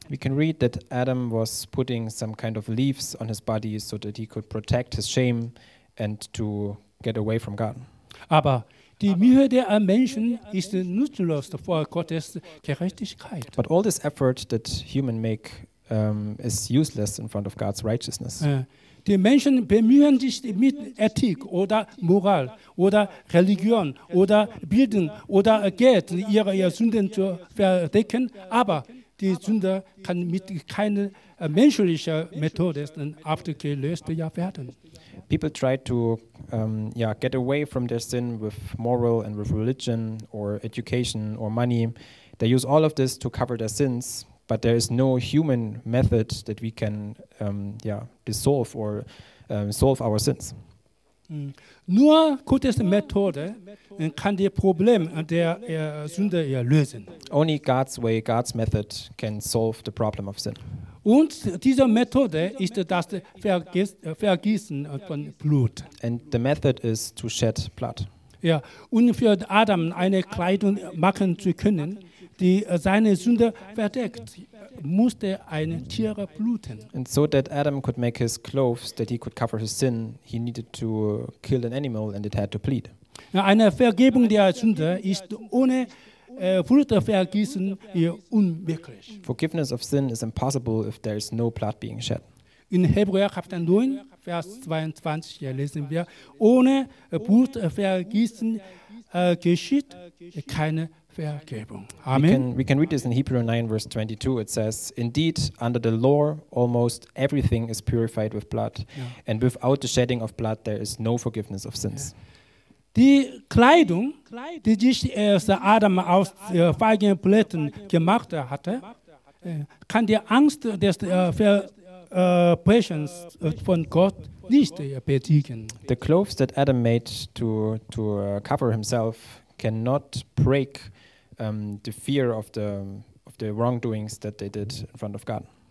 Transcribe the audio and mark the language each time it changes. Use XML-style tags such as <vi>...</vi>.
<en>We can read that Adam was putting some kind of leaves on his body so that he could protect his shame and to get away from God.</en> <de>Aber die Mühe der Menschen ist nutzlos vor Gottes Gerechtigkeit.</de> <en>But all this effort that humans make is useless in front of God's righteousness.</en> <de>Die Menschen bemühen sich mit Ethik oder Moral oder Religion oder Bildung oder Geld, ihre Sünden zu verdecken, aber die Sünde kann mit keiner menschlichen Methode abgelöst werden.</de> <en>People try to get away from their sin with moral and with religion or education or money. They use all of this to cover their sins. But there is no human method that we can dissolve or solve our sins.</en> <de>Nur Gottes Methode kann das Problem der Sünde lösen.</de> <en>Only God's way, God's method can solve the problem of sin.</en> <de>Und diese Methode ist das Vergießen von Blut.</de> <en>And the method is to shed blood.</en> <de>Ja, und für Adam eine Kleidung machen zu können, die seine Sünde verdeckt, musste ein Tier bluten.</de> <en>And so that Adam could make his clothes, that he could cover his sin, he needed to kill an animal and it had to bleed.</en> <de>Eine Vergebung der Sünde ist ohne Blutvergießen unmöglich.</de> <en>Forgiveness of sin is impossible if there is no blood being shed.</en> <de>In Hebräer Kapitel 9, Vers 22 lesen wir, ohne Blutvergießen geschieht keine Vergebung.</de> <en>Amen. We can read this in Hebrews 9, verse 22. It says, indeed, under the law, almost everything is purified with blood. Yeah. And without the shedding of blood, there is no forgiveness of sins. Yeah.</en> <de>Die Kleidung, die sich Adam aus feigen Blättern gemacht hatte, kann die Angst des Verbrechens von Gott nicht besiegen.</de> <en>The clothes that Adam made to cover himself cannot break the fear of the wrongdoings that they did in front of God.</en>